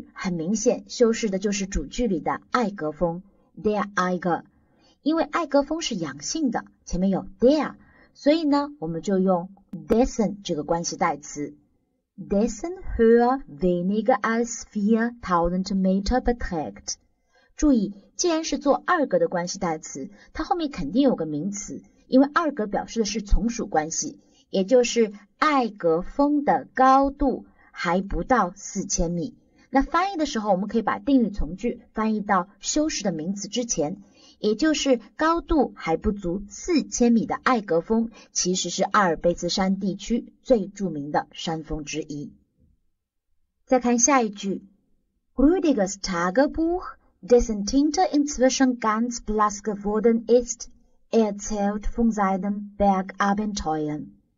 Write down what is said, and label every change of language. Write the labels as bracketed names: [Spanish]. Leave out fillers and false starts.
[Chinese] 那么中间的定语从句很明显修饰的就是主句里的艾格峰, der Eiger. 因为艾格峰是阳性的, 前面有 der, 所以呢我们就用 dessen 这个关系代词。 [German] Dessen Höhe weniger als 4000 Meter beträgt. [Chinese] 注意,既然是做二格的关系代词, 它后面肯定有个名词, 因为二格表示的是从属关系, 也就是艾格峰的高度还不到4000米。那翻译的时候我们可以把定语从句翻译到修饰的名词之前, 也就是高度还不足4000米的艾格峰, 其实是阿尔卑斯山地区最著名的山峰之一。再看下一句, [German] Rüdigers Tagebuch, dessen Tinte inzwischen ganz blass geworden ist, erzählt von seinen Bergabenteuern.